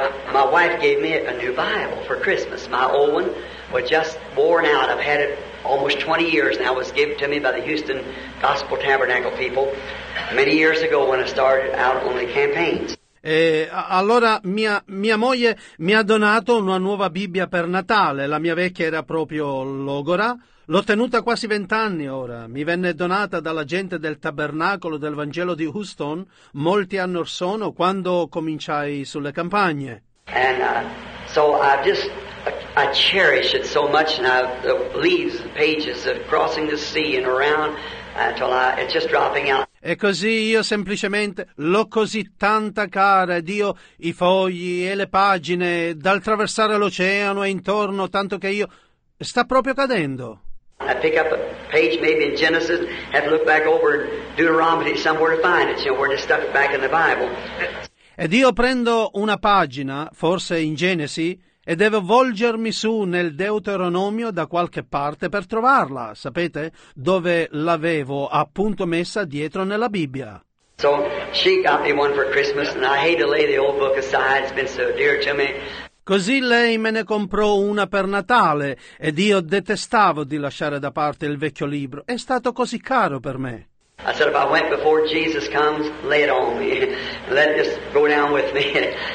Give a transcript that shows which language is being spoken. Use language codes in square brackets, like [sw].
[en] My wife gave me a new Bible for Christmas. My old one was just worn out. I've had it almost 20 years now. It was given to me by the Houston Gospel Tabernacle people many years ago when I started out on the campaigns. [it] E allora mia moglie mi ha donato una nuova Bibbia per Natale. La mia vecchia era proprio logora. L'ho tenuta quasi 20 anni ora. Mi venne donata dalla gente del tabernacolo del Vangelo di Houston molti anni or sono quando cominciai sulle campagne. [en] And so I cherish it so much now, the leaves, the pages of crossing the sea and around until it's just dropping out. [it] E così io semplicemente l'ho così tanta cara, Dio, i fogli e le pagine dal traversare l'oceano e intorno, tanto che io sta proprio cadendo. [en] I pick up a page maybe in Genesis, have to look back over in Deuteronomy somewhere to find it, you know, where it's stuck back in the Bible. [it] Ed io prendo una pagina, forse in Genesi, e devo volgermi su nel Deuteronomio da qualche parte per trovarla, sapete? Dove l'avevo appunto messa dietro nella Bibbia. [en] So she got me one for Christmas and I hate to lay the old book aside, it's been so dear to me. [it] Così lei me ne comprò una per Natale ed io detestavo di lasciare da parte il vecchio libro. È stato così caro per me. [en] I said, if I went before Jesus comes, lay it on me. Let this go down with me.